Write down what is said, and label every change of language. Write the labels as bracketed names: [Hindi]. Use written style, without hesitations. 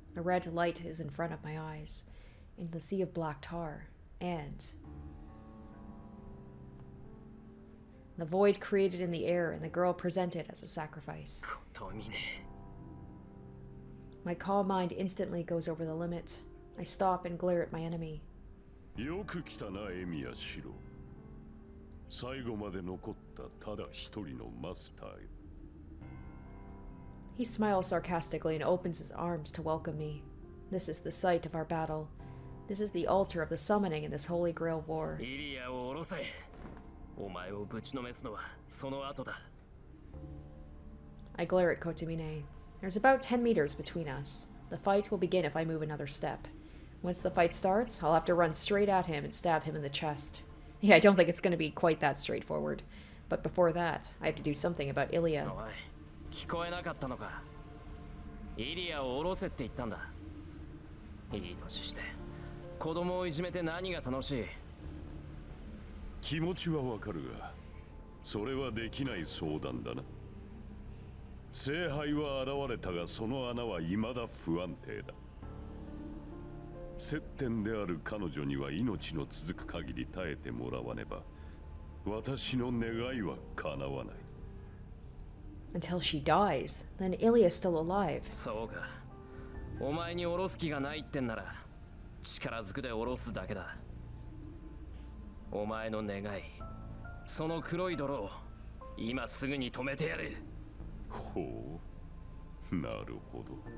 [English] A red light is in front of my eyes, in the sea of black tar, and the void created in the air and the girl presented as a sacrifice. Kotamine. My calm mind instantly goes over the limit. I stop and glare at my enemy. [Japanese] よく来たな、エミヤシロ。最後まで残ったただ一人のマスターよ。 [English] He smiles sarcastically and opens his arms to welcome me. This is the site of our battle. This is the altar of the summoning in this Holy Grail war. [Japanese] Iria を下ろせ。お前をぶちのめすのはその後だ。 [English] I glare at Kotamine. There's about 10 meters between us. The fight will begin if I move another step. Once the fight starts, I'll have to run straight at him and stab him in the chest. Yeah, I don't think it's going to be quite that straightforward. But before that, I have to do something about Iria. No, I... [Japanese] 聞こえなかったのか。イリアを下ろせって言ったんだ。いい年して子供をいじめて何が楽しい。気持ちはわかるが、それはできない相談だな。聖杯は現れたが、その穴は未だ不安定だ。接点である彼女には命の続く限り耐えてもらわねば、私の願いは叶わない。 [English] Until she dies, then Ilya is still alive. [Japanese] そうか。お前に降ろす気がないってんなら、力ずくで降ろすだけだ。お前の願い、その黒い泥を今すぐに止めてやる。ほう、なるほど。